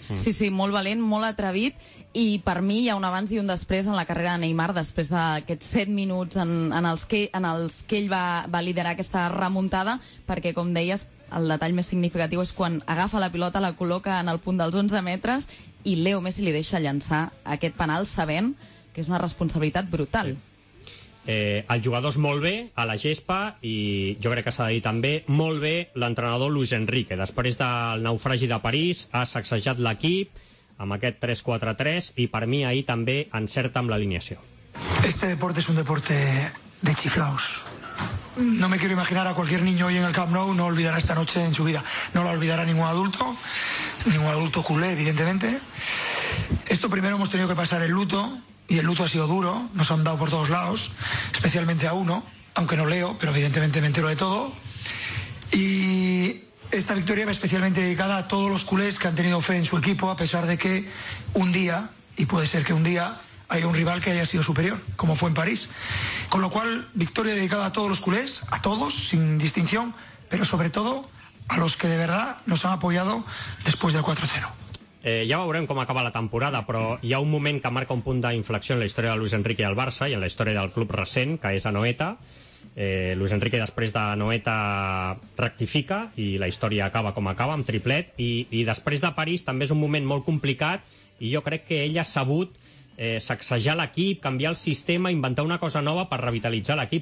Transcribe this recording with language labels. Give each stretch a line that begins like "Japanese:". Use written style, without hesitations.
Catalan: Sí, sí, molt valent, molt atrevit, i per mi hi ha un abans i un després en la carrera de Neymar, després d'aquests 7 minuts en els que ell va liderar aquesta remuntada, perquè, com deies, el detall més significatiu és quan agafa la pilota, la col·loca en el punt dels 11 metres i Leo Messi li deixa llançar aquest penal, sabent que és una responsabilitat brutal. Sí. El jugador és molt bé a la gespa, i jo crec que s'ha de dir també molt bé l'entrenador Luis Enrique. Després del naufragi de París ha sacsejat l'equip amb aquest 3-4-3, i per mi ahir també encerta amb l'alineació.
Spanish: Este deporte es un deporte de chiflaos. No me quiero imaginar a cualquier niño hoy en el Camp Nou, no olvidará esta noche en su vida. No la olvidará ningún adulto culé, evidentemente. Esto primero hemos tenido que pasar el luto, y el luto ha sido duro, nos han dado por todos lados, especialmente a uno, aunque no leo, pero evidentemente me entero de todo. Y esta victoria va especialmente dedicada a todos los culés que han tenido fe en su equipo, a pesar de que un día, y puede ser que un día, haya un rival que haya sido superior, como fue en París. Con lo cual, victoria dedicada a todos los culés, a todos, sin distinción, pero sobre todo a los que de verdad nos han apoyado después del 4-0.
Catalan: Ja veurem com acaba la temporada, però hi ha un moment que marca un punt d'inflexió en la història de Luis Enrique i el Barça, i en la història del club recent, que és Anoeta. Luis Enrique, després d'Anoeta, rectifica, i la història acaba com acaba, amb triplet. I després de París també és un moment molt complicat, i jo crec que ell ha sabut sacsejar l'equip, canviar el sistema, inventar una cosa nova per revitalitzar l'equip.